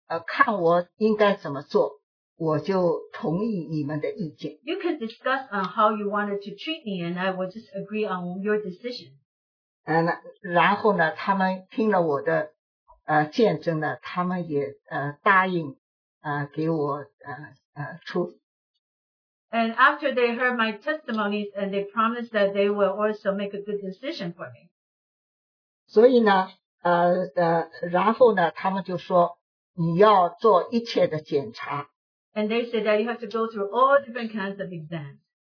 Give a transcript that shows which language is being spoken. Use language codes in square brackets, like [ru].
[zh] 你们讨论看我应该怎么做。 [en] You can discuss on how you wanted to treat me, and I will just agree on your decision. [zh] 然后呢，他们听了我的见证呢，他们也答应给我出。And [en] after they heard my testimonies, and they promised that they will also make a good decision for me. [zh] 所以呢，然后呢，他们就说你要做一切的检查。 [en] And they said that you have to go through all different kinds of exams.